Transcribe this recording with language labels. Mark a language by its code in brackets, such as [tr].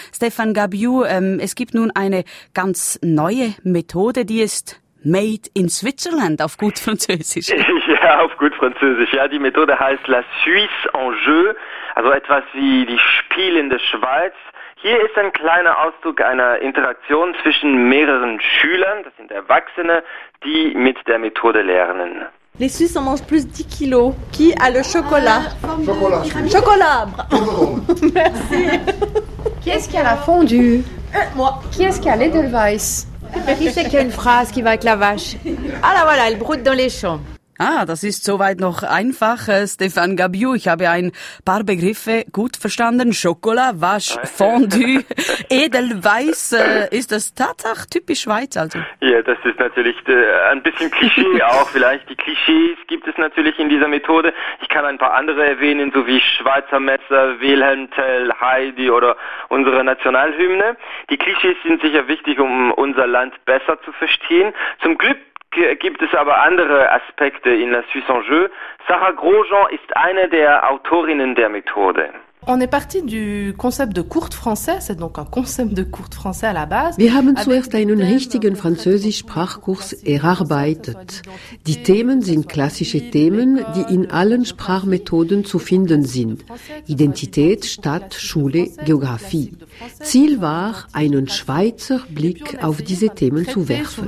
[de] Stéphane Gabiou, es gibt nun eine ganz neue Methode, die ist [en] made in Switzerland, [de] auf gut Französisch. Ja, auf gut Französisch. Ja, die Methode heißt La Suisse en jeu, also etwas wie die spielende Schweiz. Hier ist ein kleiner Ausdruck einer Interaktion zwischen mehreren Schülern, das sind Erwachsene, die mit der Methode lernen. [fr] Les Suisses en mangent plus 10 kilos. Qui a le chocolat? Chocolat. Chocolat. Merci. Qui est-ce qui a la fondue? Moi. Qui est-ce qui a l'Edelweiss? Qui c'est qui a une phrase qui va avec la vache? Ah là voilà, elle broute dans les champs. [de] Ah, das ist soweit noch einfach, Stéphane Gabiou. Ich habe ein paar Begriffe gut verstanden. [fr] Chocolat, Vache, Fondue, Edelweiss. [de] Ist das tatsächlich typisch Schweiz? Also? Ja, das ist natürlich ein bisschen Klischee auch vielleicht. Die Klischees gibt es natürlich in dieser Methode. Ich kann ein paar andere erwähnen, so wie Schweizer Messer, Wilhelm Tell, Heidi oder unsere Nationalhymne. Die Klischees sind sicher wichtig, um unser Land besser zu verstehen. Zum Glück gibt es aber andere Aspekte in La Suisse en jeu. Sarah Grosjean ist eine der Autorinnen der Methode. [fr] On est parti du concept de courte français, c'est donc un concept de courte français à la base. [de] Wir haben zuerst einen richtigen Französisch-Sprachkurs erarbeitet. Die Themen sind klassische Themen, die in allen Sprachmethoden zu finden sind. Identität, Stadt, Schule, Geografie. Ziel war, einen Schweizer Blick auf diese Themen zu werfen.